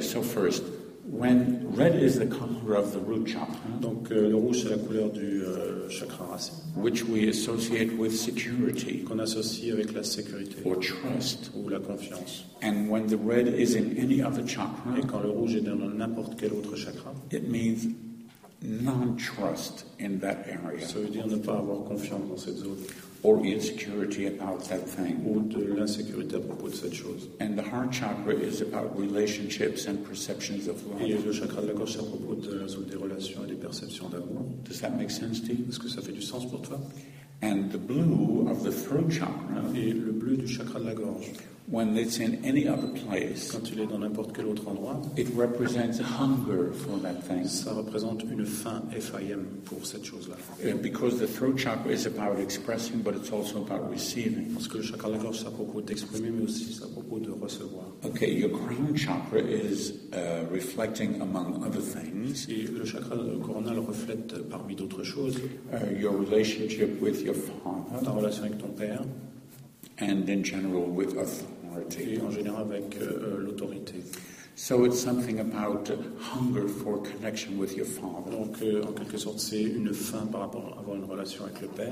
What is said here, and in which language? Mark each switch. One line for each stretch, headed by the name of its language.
English: So, first, when red is the color of the root chakra.
French: Donc, le rouge, c'est la couleur du chakra racine.
English: Which we associate with security.
French: Qu'on associe avec la sécurité.
English: Or trust.
French: Ou la confiance.
English: And when the red is in any other chakra.
French: Et quand le rouge est dans n'importe quel autre chakra.
English: It means non-trust in that area.
French: Ça veut dire ne pas avoir confiance dans cette zone.
English: Or insecurity about that thing.
French: Ou de l'insécurité à propos de cette chose.
English: And the heart chakra is about relationships and perceptions of love.
French: Et le chakra de la gorge, c'est à propos de la zone des relations et des perceptions d'amour.
English: Does that make sense to you?
French: Est-ce que ça fait du sens pour toi?
English: And the blue of the throat chakra.
French: Et le bleu du chakra de la gorge.
English: When it's in any other place.
French: Quand il est dans n'importe quel autre endroit.
English: It represents hunger for that thing.
French: Ça représente une faim, F-I-M, pour cette chose-là.
English: And because the throat chakra is about expressing, but it's also about receiving.
French: Parce que le chakra de la gorge, c'est à propos d'exprimer, mais aussi c'est à propos de recevoir.
English: Okay, your crown chakra is reflecting among other things.
French: Et le chakra coronal reflète parmi d'autres choses.
English: Your relationship with your father.
French: Ta relation avec ton père.
English: And in general with authority.
French: Et en général avec l'autorité.
English: So it's something about hunger for connection with your father.
French: Donc en quelque sorte c'est une faim par rapport à avoir une relation avec le père.